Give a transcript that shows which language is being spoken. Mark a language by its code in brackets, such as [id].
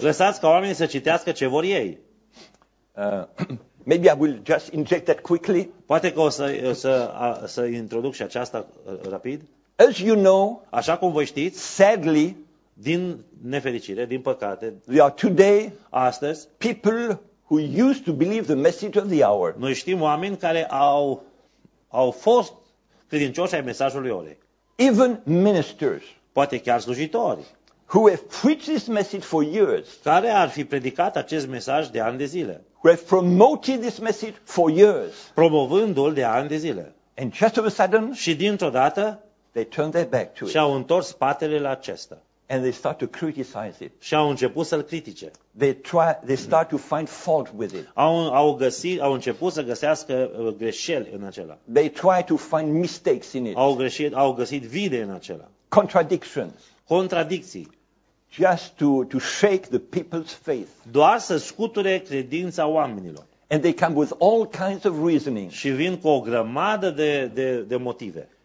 [ro] Lăsați ca oamenii să citească ce vor ei. [en] Maybe I will just inject that quickly. [ro] Poate că o să introduc și aceasta rapid. [en] As you know, [ro] așa cum voi știți, [en] sadly, [ro] din nefericire, din păcate, [en] we are today, [ro] astăzi, [en] people who used to believe the message of the hour. [ro] Noi știm oameni care au fost credincioși ai mesajului orei. [en] Even ministers. [ro] Poate chiar slujitori. [en] Who have preached this message for years? [ro] Care ar fi predicat acest mesaj de ani de zile? [en] Who have promoted this message for years? [ro] Promovându-l de ani de zile. [en] And just of a sudden, [ro] și dintr-o dată, [en] they turn their back to it. [ro] Și-au întors spatele la acesta. [en] And they start to criticize it. [ro] Și-au început să-l critique. [en] They start to find fault with it. [ro] Au început să găsească greșeli în acela. [en] They try to find mistakes in it. [ro] Au găsit vide în acela. [en] Contradictions. [ro] Contradicții. [en] Just to shake the people's faith. [ro] Doar să scuture credința oamenilor. [en] And they come with all kinds of reasoning. [ro] Și vin cu o grămadă de motive.